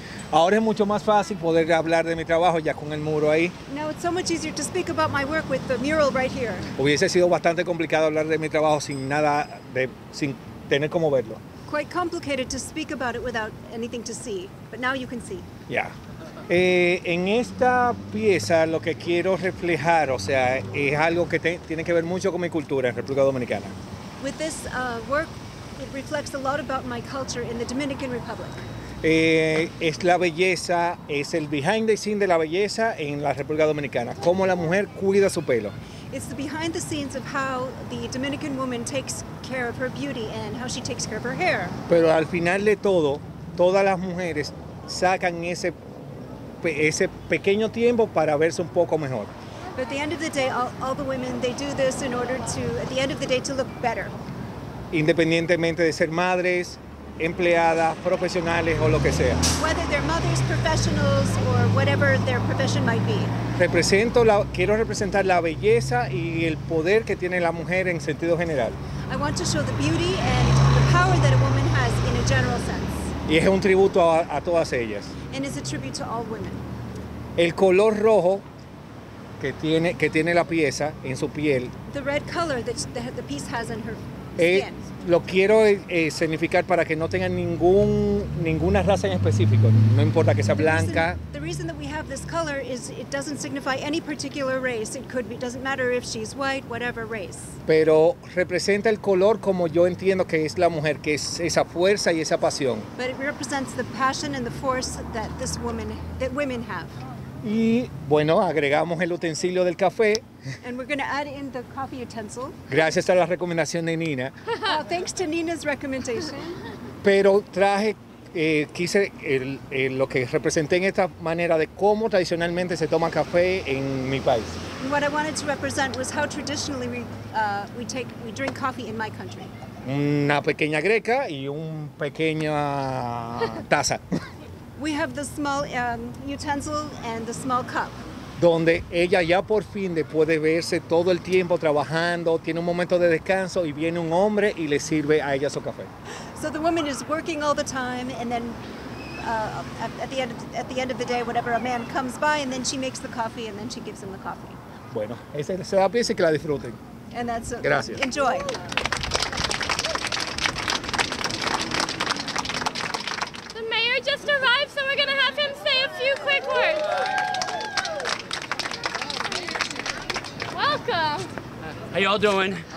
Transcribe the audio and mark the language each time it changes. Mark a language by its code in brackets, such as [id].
[es] Ahora es mucho más fácil poder hablar de mi trabajo ya con el muro ahí. [en] Now it's so much easier to speak about my work with the mural right here. [es] Hubiese sido bastante complicado hablar de mi trabajo sin nada, sin tener cómo verlo. [en] Quite complicated to speak about it without anything to see, but now you can see. Yeah. [es] En esta pieza lo que quiero reflejar, o sea, es algo que tiene que ver mucho con mi cultura en República Dominicana. [en] With this work, it reflects a lot about my culture in the Dominican Republic. [es] Es la belleza, es el [en] behind the scenes [es] de la belleza en la República Dominicana. Cómo la mujer cuida su pelo. [en] It's the behind the scenes of how the Dominican woman takes care of her beauty and how she takes care of her hair. [es] Pero al final de todo, todas las mujeres sacan ese pequeño tiempo para verse un poco mejor. [en] But at the end of the day, all the women, they do this in order to, at the end of the day, to look better. [es] Independientemente de ser madres, empleadas, profesionales o lo que sea. [en] Whether they're mothers, professionals, or whatever their profession might be. [es] Quiero representar la belleza y el poder que tiene la mujer en sentido general. [en] I want to show the beauty and the power that a woman has in a general sense. [es] Y es un tributo a todas ellas. [en] And it's a tribute to all women. [es] El color rojo que tiene la pieza en su piel. [en] The red color that the piece has in her skin. [es] Lo quiero significar para que no tengan ninguna raza en específico, no importa que sea blanca. [en] The reason that we have this color is it doesn't signify any particular race. It could be, doesn't matter if she's white, whatever race. [es] Pero representa el color como yo entiendo que es la mujer, que es esa fuerza y esa pasión. [en] But it represents the passion and the force that this woman, that women have. [es] Y bueno, agregamos el utensilio del café. [en] And we're going to add in the coffee utensil. [es] Gracias a la recomendación de Nina. [en] Well, thanks to Nina's recommendation. [es] Pero traje, quise el lo que representé en esta manera de cómo tradicionalmente se toma café en mi país. [en] And what I wanted to represent was how traditionally we drink coffee in my country. [es] Una pequeña greca y una pequeña taza. [en] We have the small utensil and the small cup. [es] Donde ella ya por fin puede verse todo el tiempo trabajando, tiene un momento de descanso y viene un hombre y le sirve a ella su café. [en] So the woman is working all the time and then at the end of the day, whatever, a man comes by and then she makes the coffee and then she gives him the coffee. [es] Bueno, esa es la pieza y que la disfruten. [en] And that's it. [es] Gracias. [en] Enjoy. The mayor just arrived, so we're going to have him say a few quick words. Welcome. How y'all doing?